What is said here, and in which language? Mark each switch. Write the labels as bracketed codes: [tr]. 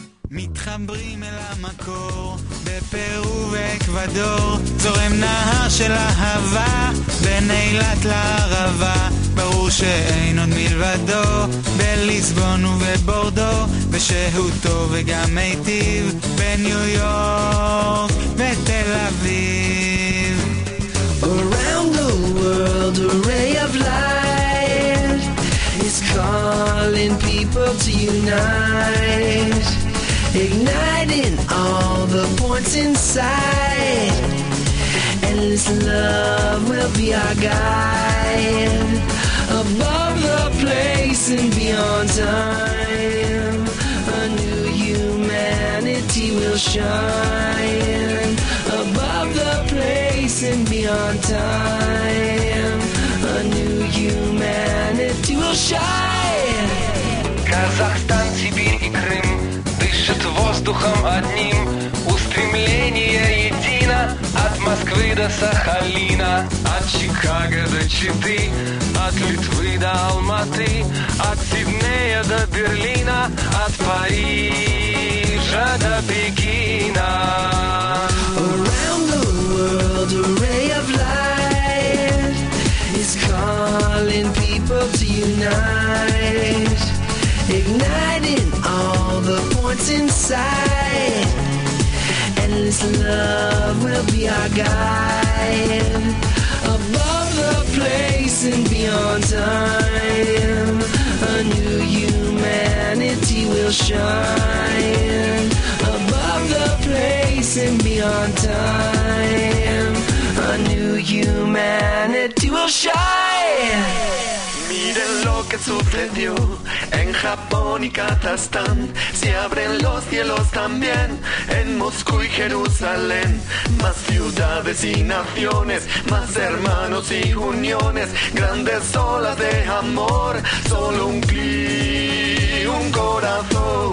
[he] מתחברים אל המקור בפרו ואקוודור, זורם נהר של אהבה בין אילת לערבה, ברור שאין עוד מלבדו בליסבון ובבורדו, ושהוא טוב וגם מיטיב בניו יורק ותל אביב. [en] Around the world a ray of light is calling people to unite, igniting all the points inside, endless love will be our guide, above the place and beyond time, a new humanity will shine, above the place and beyond time, a new humanity will shine. [ru] Kazakhstan, Sibir and Krim дышит воздухом одним, устремление едино, от Москвы до Сахалина, от Чикаго до Читы, от Литвы до Алматы, от Сиднея до Берлина, от Парижа до Пекина. [en] Around the world a ray of light is calling people to unite, igniting all the inside, endless love will be our guide, above the place and beyond time, a new humanity will shine, above the place and beyond time, a new humanity will shine. [es] Miren lo que sucedió en Japón y Kazajstán, se abren los cielos también en Moscú y Jerusalén, más ciudades y naciones, más hermanos y uniones, grandes olas de amor, solo un clic, un corazón.